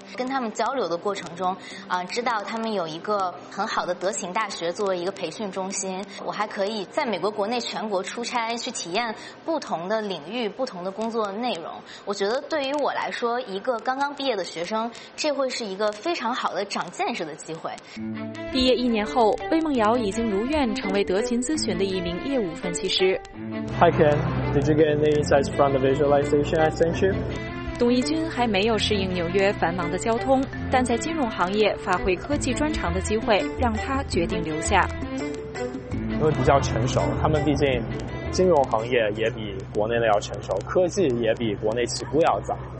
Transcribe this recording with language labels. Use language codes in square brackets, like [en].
[zh] 跟他们交流的过程中知道他们有一个很好的德勤大学作为一个培训中心，我还可以在美国国内全国出差去体验不同的领域、不同的工作内容。我觉得对于我来说，一个刚刚毕业的学生，这会是一个非常好的长见识的机会。毕业一年后，魏梦瑶已经如愿成为德勤咨询的一名业务分析师。 [en] Did you get any insights from the visualization I sent you? [zh] 董一军还没有适应纽约繁忙的交通，但在金融行业发挥科技专长的机会让他决定留下。因为比较成熟，他们毕竟金融行业也比国内的要成熟，科技也比国内起步要早。